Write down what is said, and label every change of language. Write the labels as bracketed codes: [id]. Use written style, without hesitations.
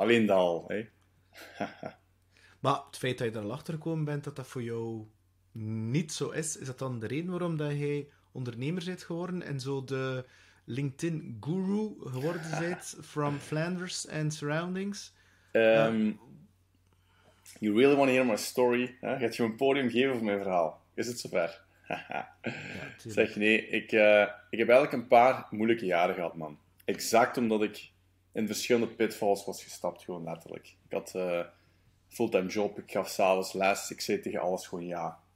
[nl] Alleen dat al, hè. Maar het feit dat je er al achter gekomen bent dat voor jou niet zo is, is dat dan de reden waarom dat jij ondernemer bent geworden en zo de LinkedIn-guru geworden bent [en] from Flanders and surroundings? You really want to hear my story? Huh? [nl] Gaat je een podium geven voor mijn verhaal? Is het zover? Ja, zeg, nee, ik heb eigenlijk een paar moeilijke jaren gehad, man. Exact omdat ik in verschillende pitfalls was gestapt, gewoon letterlijk. Ik had een fulltime job, ik gaf s'avonds les, ik zei tegen alles gewoon ja.